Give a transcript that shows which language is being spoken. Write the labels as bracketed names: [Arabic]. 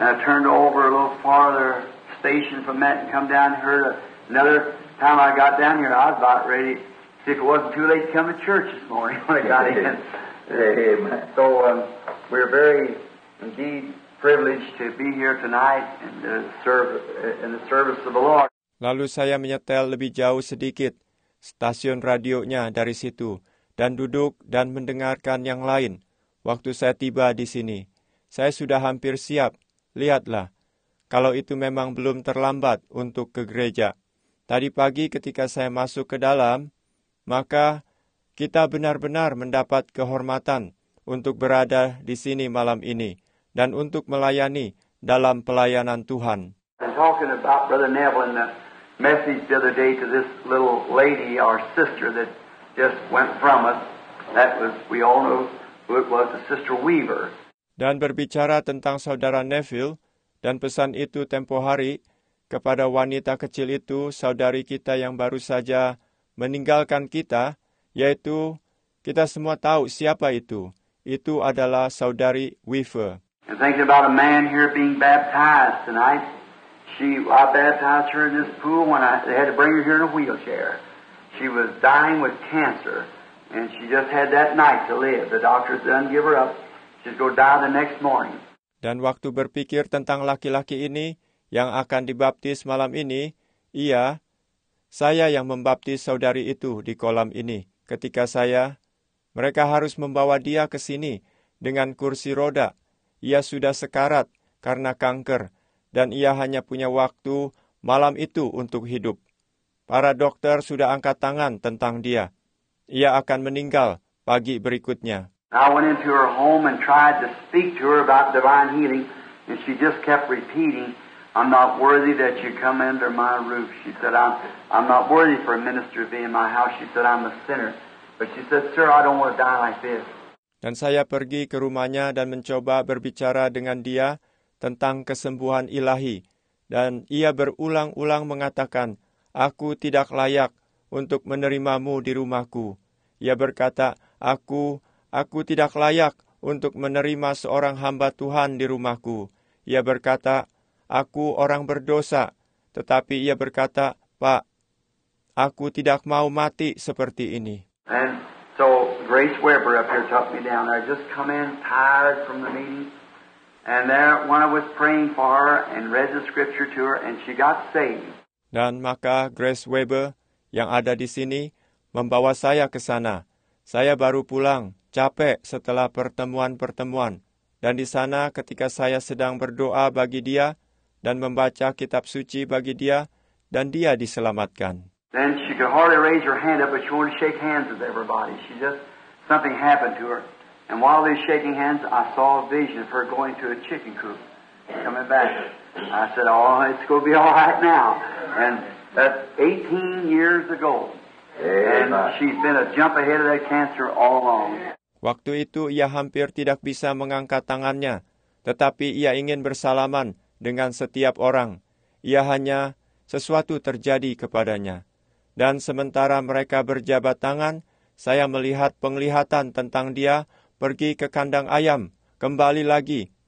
[English] turned over a little farther station from that and come down here. Another time I got down here, I was about ready. See, if it wasn't too late to come to church this morning when I got in. So we're very indeed privileged to be here tonight and serve in the service of the Lord. [Indonesian] Lalu saya menyetel lebih jauh sedikit stasiun radionya dari situ dan duduk dan mendengarkan yang lain. Waktu saya tiba di sini, saya sudah hampir siap. Lihatlah, kalau itu memang belum terlambat untuk ke gereja. Tadi pagi ketika saya masuk ke dalam, maka kita benar-benar mendapat kehormatan untuk berada di sini malam ini dan untuk melayani dalam pelayanan Tuhan. [English] I'm talking about Brother Neville and the message the other day to this little lady, our sister that just went from us. That was, we all know, it was the Sister Weaver. [Indonesian] Dan berbicara tentang Saudara Neville dan pesan itu tempo hari kepada wanita kecil itu, saudari kita yang baru saja meninggalkan kita, yaitu kita semua tahu siapa itu. Itu adalah Saudari Weaver. [English] And thinking about a man here being baptized tonight. I baptized her in this pool when they had to bring her here in a wheelchair. She was dying with cancer, and she just had that night to live. The doctors didn't give her up. She's going to die the next morning. [Indonesian] Dan waktu berpikir tentang laki-laki ini yang akan dibaptis malam ini, saya yang membaptis saudari itu di kolam ini. Ketika mereka harus membawa dia ke sini dengan kursi roda. Ia sudah sekarat karena kanker, dan ia hanya punya waktu malam itu untuk hidup. Para dokter sudah angkat tangan tentang dia. Ia akan meninggal pagi berikutnya. [English] I went into her home and tried to speak to her about divine healing, and she just kept repeating, "I'm not worthy that you come under my roof." She said, I'm not worthy for a minister to be in my house. She said, I'm a sinner. But she said, "Sir, I don't want to die like this." [Indonesian] Dan saya pergi ke rumahnya dan mencoba berbicara dengan dia tentang kesembuhan ilahi. Dan ia berulang-ulang mengatakan, "Aku tidak layak untuk menerimamu di rumahku." Ia berkata, Aku tidak layak untuk menerima seorang hamba Tuhan di rumahku. Ia berkata, aku orang berdosa. Tetapi ia berkata, Pak, aku tidak mau mati seperti ini. [English] And so Grace Weber up here took me down. I just come in tired from the meeting. And there when I was praying for her and read the scripture to her, and she got saved. [Indonesian] Dan maka Grace Weber yang ada di sini membawa saya ke sana. Saya baru pulang, capek setelah pertemuan-pertemuan. Dan di sana ketika saya sedang berdoa bagi dia dan membaca kitab suci bagi dia, dan dia diselamatkan. [English] Then she could hardly raise her hand up, but she wanted to shake hands with everybody. She just, something happened to her. And while they were shaking hands, I saw a vision of her going to a chicken coop, coming back. I said, oh, it's going to be all right now. And that's 18 years ago. And she's been a jump ahead of that cancer all along. [Indonesian] Waktu itu ia hampir tidak bisa mengangkat tangannya, tetapi ia ingin bersalaman dengan setiap orang. Ia hanya sesuatu terjadi kepadanya. Dan sementara mereka berjabat tangan, saya melihat penglihatan tentang dia pergi ke kandang ayam, kembali lagi.